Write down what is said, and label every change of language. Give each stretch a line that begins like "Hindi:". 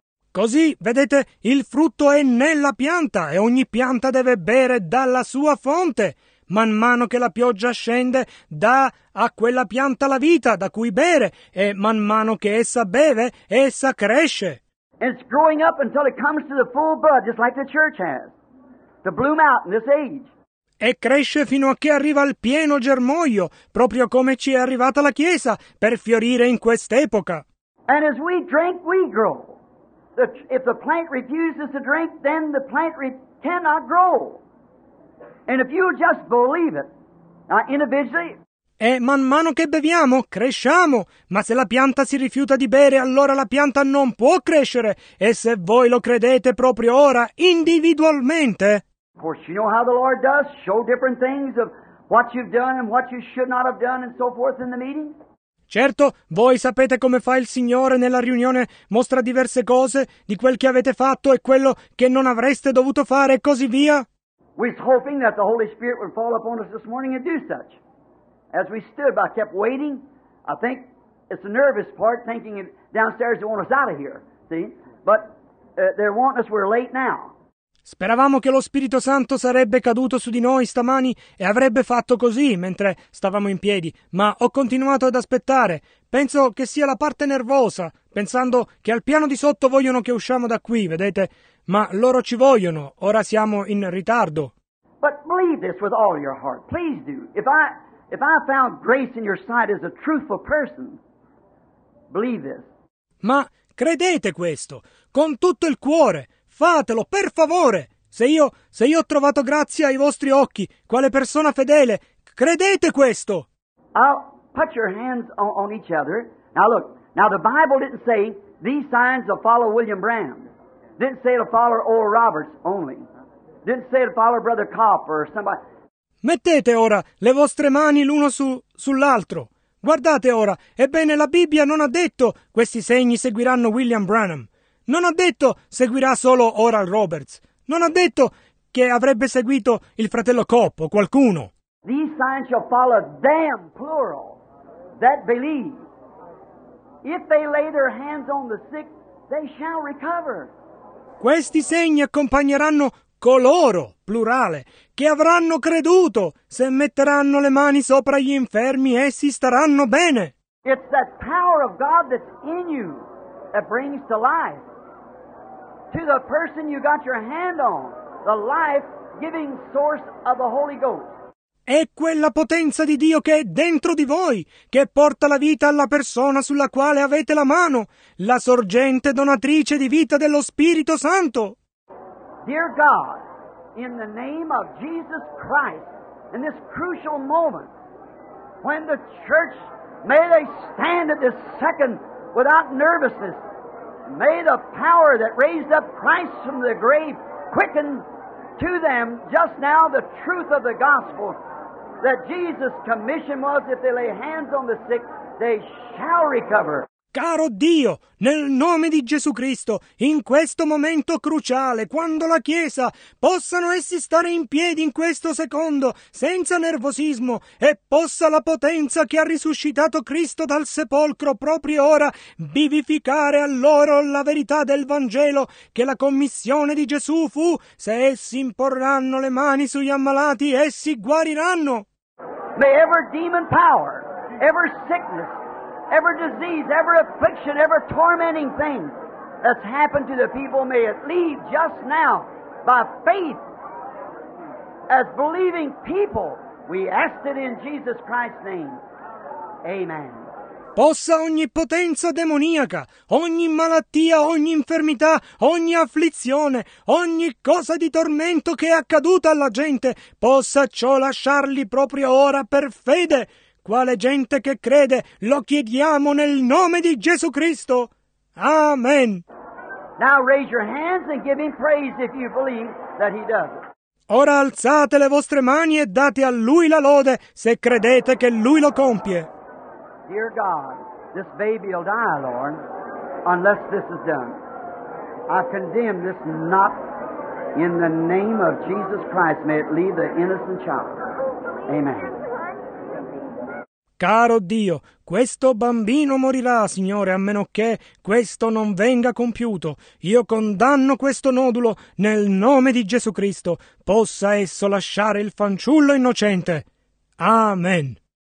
Italian: Così, vedete, il frutto è nella pianta, e ogni pianta deve bere dalla sua fonte. Man mano che la pioggia scende, dà a quella pianta la vita da cui bere, e man mano che essa beve, essa cresce.
English: And it's growing up until it comes to the full bud, just like the church has, to bloom out in this age.
Italian: E cresce fino a che arriva al pieno germoglio, proprio come ci è arrivata la Chiesa, per fiorire in quest'epoca.
English: And as we drink, we grow. If the plant refuses to drink, then the plant cannot grow. And if you just believe it, now individually...
Italian: E man mano che beviamo, cresciamo. Ma se la pianta si rifiuta di bere, allora la pianta non può crescere. E se voi lo credete proprio ora, individualmente...
English: Of course, you know how the Lord does, show different things of what you've done and what you should not have done and so forth in the meeting.
Italian: Certo, voi sapete come fa il Signore nella riunione, mostra diverse cose di quel che avete fatto e quello che non avreste dovuto fare e così via.
English: We're hoping that the Holy Spirit would fall upon us this morning and do such. As we stood, I kept waiting. I think it's the nervous part, thinking downstairs they want us out of here, see? But they're wanting us, we're late now.
Italian: Speravamo che lo Spirito Santo sarebbe caduto su di noi stamani e avrebbe fatto così mentre stavamo in piedi, ma ho continuato ad aspettare. Penso che sia la parte nervosa, pensando che al piano di sotto vogliono che usciamo da qui, vedete? Ma loro ci vogliono, ora siamo in ritardo.
English: But believe this with all your heart, please do. If I found grace in your sight as a truthful person, believe this.
Italian: Ma credete questo, con tutto il cuore. Fatelo, per favore! Se io ho trovato grazia ai vostri occhi, quale persona fedele, credete questo!
English: I'll put your hands on each other. Now look, now the Bible didn't say these signs will follow William Branham. Didn't say it'll follow Oral Roberts only. Didn't say it'll follow Brother Kopp or somebody.
Italian: Mettete ora le vostre mani l'uno sull'altro. Guardate ora, ebbene la Bibbia non ha detto questi segni seguiranno William Branham. Non ha detto seguirà solo Oral Roberts. Non ha detto che avrebbe seguito il fratello Kopp o qualcuno.
English: These signs shall follow them, plural, that believe. If they lay their hands on the sick, they shall recover.
Italian: Questi segni accompagneranno coloro, plurale, che avranno creduto. Se metteranno le mani sopra gli infermi, essi staranno bene.
English: It's that power of God that's in you that brings to life. To the person you got your hand on, the life-giving source of the Holy Ghost.
Italian: È quella potenza di Dio che è dentro di voi, che porta la vita alla persona sulla quale avete la mano, la sorgente donatrice di vita dello Spirito Santo.
English: Dear God, in the name of Jesus Christ, in this crucial moment, when the church, may they stand at this second without nervousness, may the power that raised up Christ from the grave quicken to them just now the truth of the gospel that Jesus' commission was if they lay hands on the sick, they shall recover.
Italian: Caro Dio, nel nome di Gesù Cristo, in questo momento cruciale, quando la Chiesa possano essi stare in piedi in questo secondo, senza nervosismo, e possa la potenza che ha risuscitato Cristo dal sepolcro proprio ora vivificare a loro la verità del Vangelo, che la commissione di Gesù fu, se essi imporranno le mani sugli ammalati, essi guariranno.
English: May every demon power, every sickness, every disease, every affliction, every tormenting thing that's happened to the people, may it leave just now by faith. As believing people, we ask it in Jesus Christ's name. Amen.
Italian: Possa ogni potenza demoniaca, ogni malattia, ogni infermità, ogni afflizione, ogni cosa di tormento che è accaduta alla gente, possa ciò lasciarli proprio ora per fede. Quale gente che crede, lo chiediamo nel nome di Gesù Cristo. Amen.
English: Now raise your hands and give him praise if you believe that he does.
Italian: Ora alzate le vostre mani e date a lui la lode se credete che lui lo compie.
English: Dear God, this baby will die, Lord, unless this is done. I condemn this not in the name of Jesus Christ. May it leave the innocent child. Amen.
Italian: Caro Dio, questo bambino morirà, Signore, a meno che questo non venga compiuto. Io condanno questo nodulo nel nome di Gesù Cristo. Possa esso lasciare il fanciullo innocente. Amen.